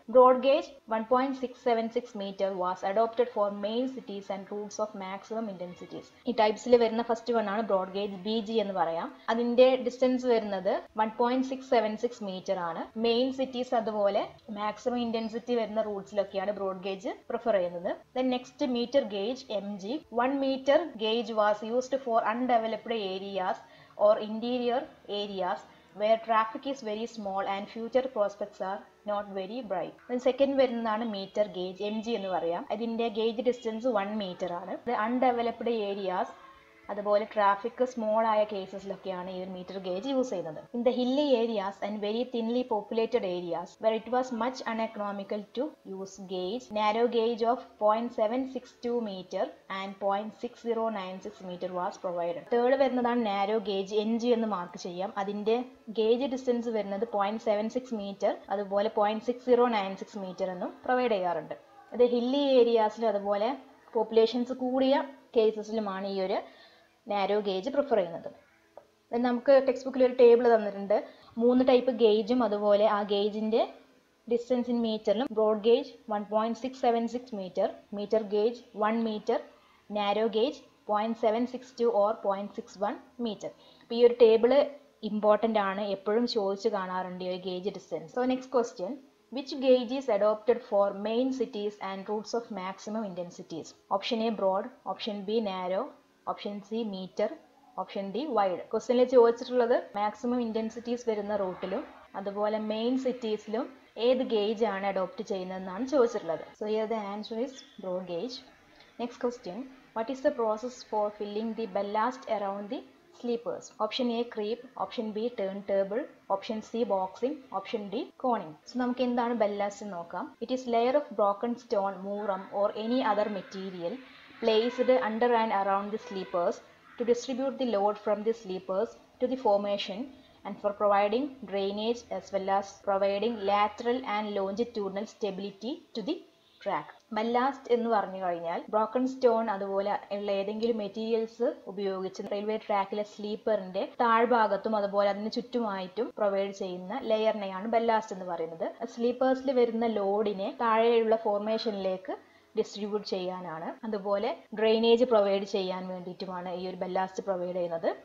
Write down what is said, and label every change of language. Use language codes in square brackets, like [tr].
[en] Broad gauge 1.676 meter was adopted for main cities and routes of maximum intensities. [ml] ഈ ടൈപ്സിൽ വരുന്ന first one ആണ് broad gauge BG എന്ന് പറയാം. അതിന്റെ ഡിസ്റ്റൻസ് വരുന്നത് 1.676 meter ആണ്. മെയിൻ സിറ്റീസ് അതുപോലെ മാക്സിമം ഇന്റൻസിറ്റി വരുന്ന റൂട്ട്സിലൊക്കെയാണ് ബ്രോഡ് ഗേജ് പ്രിഫർ ചെയ്യുന്നത്. [en] Then next metre gauge MG. 1 meter gauge was used for undeveloped areas or interior areas where traffic is very small and future prospects are not very bright. Then second [ml] വരുന്നതാണ് metre gauge MG എന്ന് പറയാം. അതിൻ്റെ gauge distance 1 meter ആണ്. The undeveloped areas അതുപോലെ traffic small ആയ കേസസിലൊക്കെയാണ് ഈ ഒരു metre gauge use ചെയ്യുന്നത്. [en] In the hilly areas and very thinly populated areas where it was much uneconomical to use gauge narrow gauge of 0.762 meter and 0.6096 meter was provided. [ml] Third വരുന്നതാണ് narrow gauge NG എന്ന് mark ചെയ്യാം. അതിൻ്റെ gauge distance വരുന്നത് 0.76 meter അതുപോലെ 0.6096 meter എന്നും provide ചെയ്യാറുണ്ട്. ഇത് hilly ഏരിയാസിലും അതുപോലെ പോപ്പുലേഷൻസ് കൂടിയ കേസസിലുമാണ് ഈ ഒരു നാരോ ഗേജ് പ്രിഫർ ചെയ്യുന്നത്. നമുക്ക് ടെക്സ്റ്റ് ബുക്കിൽ ഒരു ടേബിൾ തന്നിട്ടുണ്ട്, 3 types ഗേജും അതുപോലെ ആ ഗേജിൻ്റെ distance in മീറ്ററിലും. Broad gauge 1.676 meter, metre gauge 1 meter, narrow gauge 0.762 or 0.61 meter. അപ്പോൾ ഈ ഒരു ടേബിള് ഇമ്പോർട്ടൻ്റ് ആണ്, എപ്പോഴും ചോദിച്ച് കാണാറുണ്ട് ഈ ഒരു gauge distance. [en] So next question, which gauge is adopted for main cities and routes of maximum intensities? Option A broad, option B narrow, option C meter, option D wide. [ml] ക്വസ്റ്റ്യനിൽ ചോദിച്ചിട്ടുള്ളത് maximum intensities വരുന്ന റൂട്ടിലും അതുപോലെ main സിറ്റീസിലും ഏത് gauge ആണ് adopt ചെയ്യുന്നതെന്നാണ് ചോദിച്ചിട്ടുള്ളത്. [en] So here the answer is broad gauge. Next question, what is the process for filling the ballast around the sleepers? Option A creep, option B turn table, option C boxing, option D coning. So [ml] നമുക്ക് എന്താണ് ballast നോക്കാം. [en] It is layer of broken stone, moorum or any other material placed under and around the sleepers to distribute the load from the sleepers to the formation and for providing drainage as well as providing lateral and longitudinal stability to the track. [ml] Ballast എന്ന് പറഞ്ഞു കഴിഞ്ഞാൽ broken stone അതുപോലെ ഉള്ള ഏതെങ്കിലും materials ഉപയോഗിച്ച് railway ട്രാക്കിലെ സ്ലീപ്പറിന്റെ താഴ്ഭാഗത്തും അതുപോലെ അതിന് ചുറ്റുമായിട്ടും provide ചെയ്യുന്ന ലെയറിനെയാണ് ബല്ലാസ്റ്റ് എന്ന് പറയുന്നത്. സ്ലീപ്പേഴ്സിൽ വരുന്ന ലോഡിനെ താഴെയുള്ള ഫോർമേഷനിലേക്ക് ഡിസ്ട്രിബ്യൂട്ട് ചെയ്യാനാണ്, അതുപോലെ ഡ്രെയിനേജ് പ്രൊവൈഡ് ചെയ്യാൻ വേണ്ടിയിട്ടുമാണ് ഈ ഒരു ബല്ലാസ്റ്റ് പ്രൊവൈഡ് ചെയ്യുന്നത്.